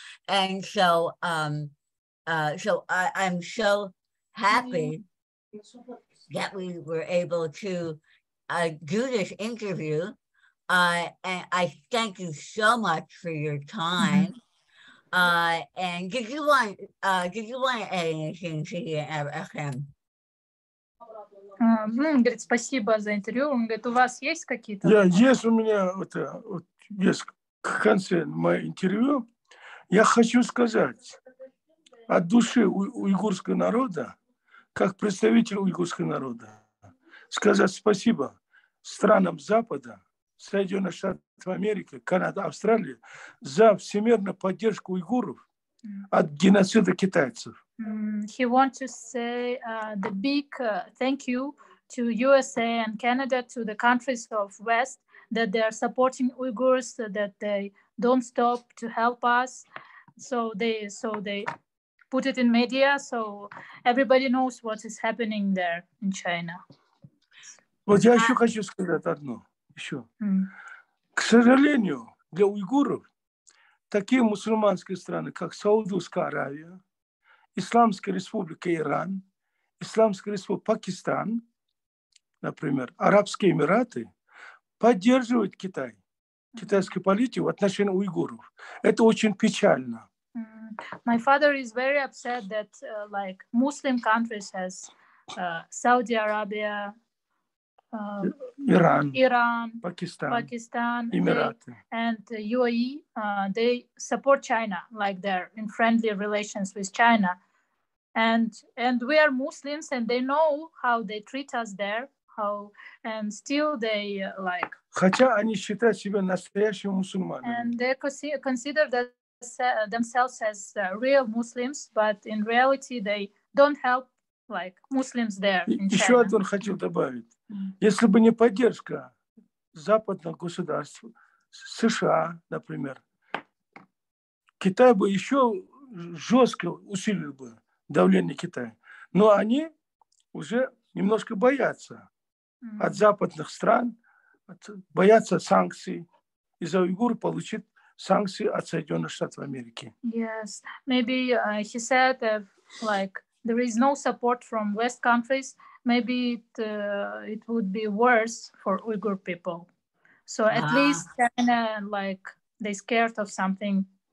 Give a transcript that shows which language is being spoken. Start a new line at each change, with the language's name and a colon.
English: And so I'm so happy that we were able to do this interview. And I thank you so much for your time. And did you want anything to hear Abraham?
Russian: Ну, он говорит, спасибо за интервью. Он говорит, у вас есть какие-то... Да, есть у меня, вот есть к концу моего интервью. Я хочу сказать от души уйгурского народа, как представитель уйгурского народа, сказать спасибо странам Запада, Соединенных Штатов Америки, Канады, Австралии за всемирную поддержку уйгуров от геноцида китайцев.
English: He wants to say the big thank you to USA and Canada, to the countries of West, that they are supporting Uyghurs, that they don't stop to help us. So they put it in media, so everybody knows what is happening there in China.
Russian: Вот я еще хочу сказать одно еще. К сожалению, для уйгуров такие мусульманские страны, как Саудовская Аравия, Исламская республика Иран, Исламская республика Пакистан, например, Арабские Эмираты поддерживают Китай, китайскую политику в отношении уйгуров. Это очень печально.
English: My father is very upset that like Muslim countries as Saudi Arabia, Iran, Pakistan, Emirates, and UAE, they support China, like they're in friendly relations with China. And we are Muslims, and they know how they treat us there. And still they like.
Russian: Хотя они считают себя настоящими мусульманами.
English: And they consider themselves as real Muslims, but in reality they don't help like Muslims there.
Russian: Еще одно хотел добавить: если бы не поддержка западных государств, США, например, Китай бы еще жестко усилил бы давление Китая. Но они уже немножко боятся от западных стран, боятся санкций. Из-за уйгур получит санкции от Соединенных Штатов Америки.
English: Yes, maybe he said like there is no support from West countries. Maybe it would be worse for Uyghur people. So at least China like they scared of something.